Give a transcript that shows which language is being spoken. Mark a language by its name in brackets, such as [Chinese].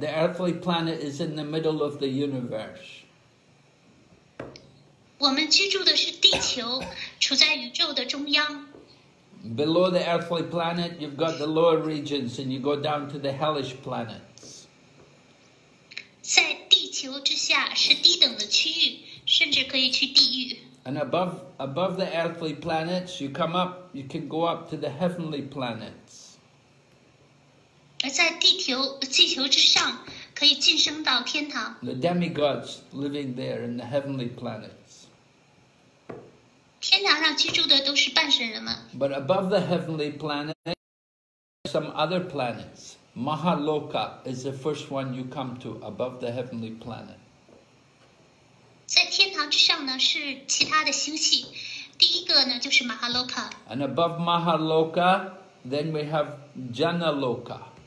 [English] The earthly planet is in the middle of the universe. [Chinese] 我们居住的是地球，处在宇宙的中央。 [English] Below the earthly planet, you've got the lower regions, and you go down to the hellish planets. [Chinese] 在地球之下是低等的区域，甚至可以去地狱。 [English] And above the earthly planets, you come up, you can go up to the heavenly planets. [Chinese] 而在地球之上，可以晋升到天堂。 [English] The demigods living there in the heavenly planets. [Chinese] 天堂上居住的都是半神人们。 [English] But above the heavenly planets, some other planets. Mahaloka is the first one you come to above the heavenly planet. [Chinese] 在天堂之上呢是其他的星系，第一个呢就是 Mahaloka。 [English] And above Mahaloka, then we have Janaloka。